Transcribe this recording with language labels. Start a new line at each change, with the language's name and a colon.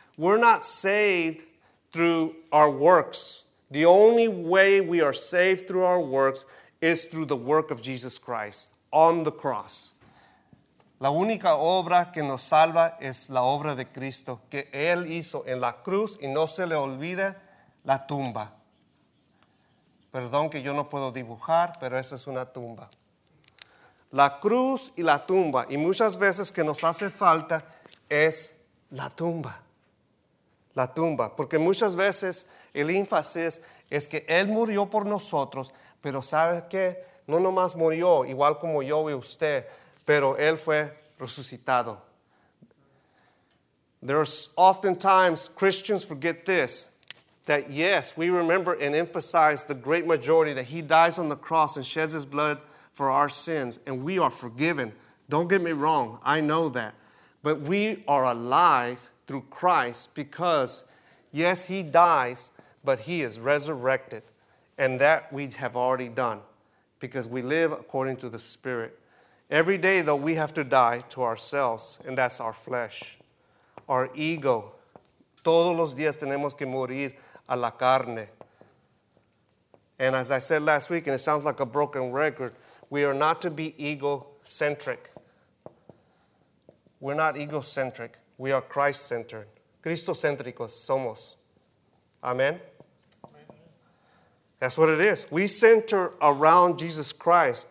English: We're not saved through our works. The only way we are saved through our works is through the work of Jesus Christ on the cross.
Spanish: La única obra que nos salva es la obra de Cristo, que Él hizo en la cruz y no se le olvida la tumba. Perdón que yo no puedo dibujar, pero esa es una tumba. La cruz y la tumba, y muchas veces que nos hace falta es la tumba. La tumba, porque muchas veces el énfasis es que Él murió por nosotros, pero ¿sabes qué? No nomás murió, igual como yo y usted, pero Él fue resucitado.
English: There's oftentimes Christians forget this, that yes, we remember and emphasize the great majority that He dies on the cross and sheds His blood for our sins, and we are forgiven. Don't get me wrong, I know that. But we are alive through Christ because, yes, He dies, but He is resurrected. And that we have already done because we live according to the Spirit. Every day, though, we have to die to ourselves, and that's our flesh, our ego.
Spanish: Todos los días tenemos que morir a la carne.
English: And as I said last week, and it sounds like a broken record, we are not to be egocentric. We're not egocentric. We are Christ-centered.
Spanish: Cristocéntricos somos.
English: Amen? That's what it is. We center around Jesus Christ.